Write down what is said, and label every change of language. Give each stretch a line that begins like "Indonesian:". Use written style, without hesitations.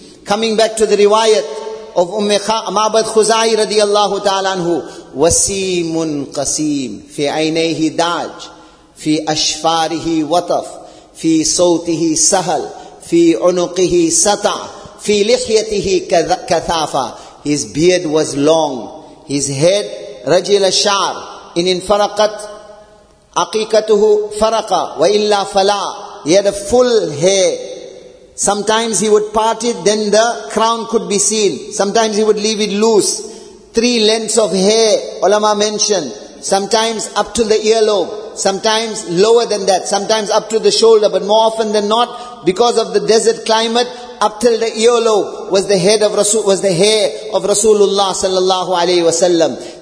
English: Coming back to the riwayat of Mabad Khuzai radiallahu ta'ala anhu,
Arabic: wasimun qasim fi aynayhi daj fi ashfarihi wataf fi sawtihi sahal fi unuqihi sata. في لحيته كثافة.
English: His beard was long. His head
Arabic: رجل الشعر. إن انفرقت عقيقته فرقة وإلا فلا.
English: He had a full hair. Sometimes he would part it, then the crown could be seen. Sometimes he would leave it loose. Three lengths of hair, Ulama mentioned. Sometimes up to the earlobe. Sometimes lower than that. Sometimes up to the shoulder. But more often than not, because of the desert climate, up till the earlobe was the head of Rasul, was the hair of Rasulullah sallallahu alayhi wa sallam.